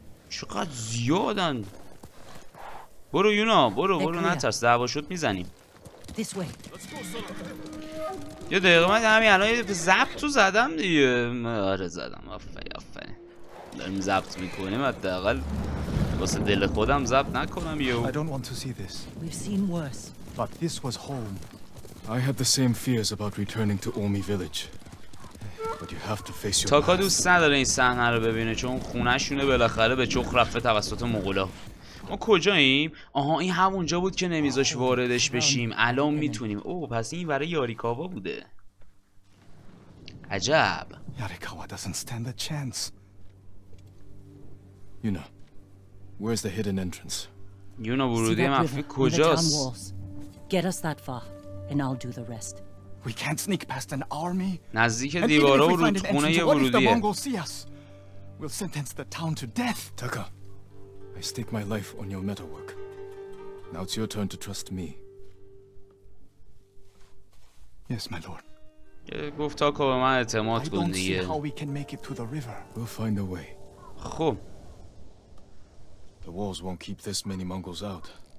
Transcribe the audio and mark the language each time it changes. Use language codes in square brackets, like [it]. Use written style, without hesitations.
[fa] چقدر زیادن. برو یونا، برو برو نترس، دعوا شد میزنیم. یه دقیقه من همین الان یه ضبط تو زدم دیگه. آره زدم. آفرین آفرین. داریم ضبط میکنیم، حتی اقل واسه دل خودم ضبط نکنم. یو [en] I don't want to see this. We've seen worse. But this was home. I had the same fears about returning to Omi village. But you have to face your [fa] تاکا دوست نداره این صحنه رو ببینه چون خونه‌شونه بالاخره به چخ رفته توسط مغولا. ما کجاییم؟ آها این همونجا بود که نمیذاش واردش بشیم. الان میتونیم. اوه پس این برای یاریکاوا بوده. عجب. [en] Yarikawa doesn't stand a chance. Yuna, where's the hidden entrance? [fa] Yuna, ورودی مخفی کجاست؟ [en] Get us that far, and I'll do the rest. We can't sneak past an army. [fa] نزدیک دیوارا و رودخونه یه ورودیه. [en] We'll sentence the town to death. Taka, I stake my life on your metalwork. Now it's your turn to trust me. Yes, my lord. [fa] گفت تاکا به من اعتماد کن دیگه. [en] I don't see how we can make it to the river. We'll find a way. [fa] خوب. [en] The walls won't keep this many Mongols out.